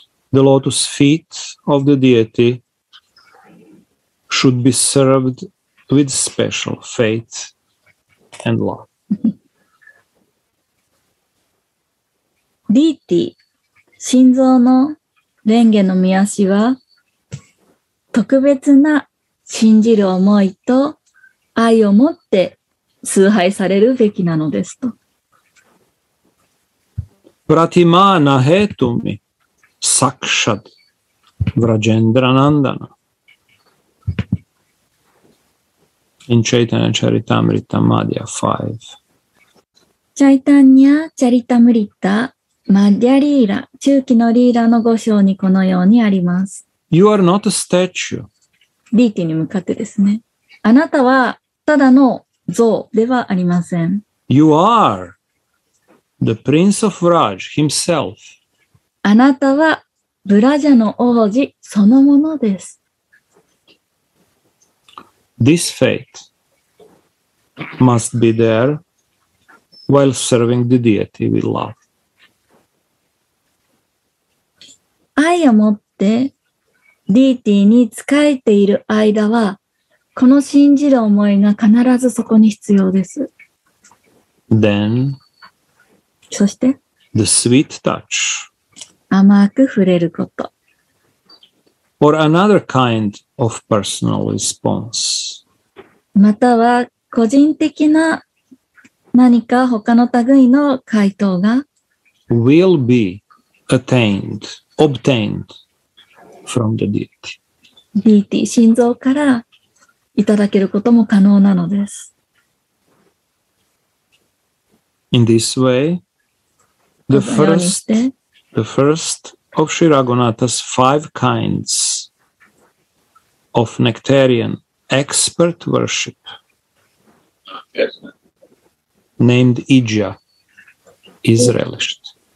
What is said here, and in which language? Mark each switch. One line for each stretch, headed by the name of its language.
English: The lotus feet of the deity should be servedWith special faith and love.
Japanese: ディーティー、心臓の蓮華の御足は、特別な信じる思いと愛を持って崇拝されるべきなのですと。
Sanskrit: プラティマーナヘトミ、サクシャド、ヴラジェンドラナンダナ。
English: In Chaitanya Charitamrita Madhya 5.
Japanese: Chaitanya Charitamrita Madhya Lila, 中期のリーラの5章にこのようにあります。
English: You are not a statue.
Japanese: ディーティに向かってですね。あなたはただの像ではありません。
English: You are the Prince of Raj himself.
Japanese: あなたはブラジャの王子そのものです。
English: This faith must be there while serving the deity with love.
Japanese: 愛を持ってディーティーに仕えている間は、この信じる思いが必ずそこに必要です。
English: Then,
Japanese: そして、
English: the sweet touch,
Japanese: 甘く触れること、
English: or another kind of personal response.
Japanese: または個人的な何か他の類の回答が
English: will be attained, obtained from the deity.
Japanese: ディーティー、心臓からいただけることも可能なのです。
English: In this way, the first of Sri Raghunatha's five kinds of nectarianExpert worship, named Ija, is relished.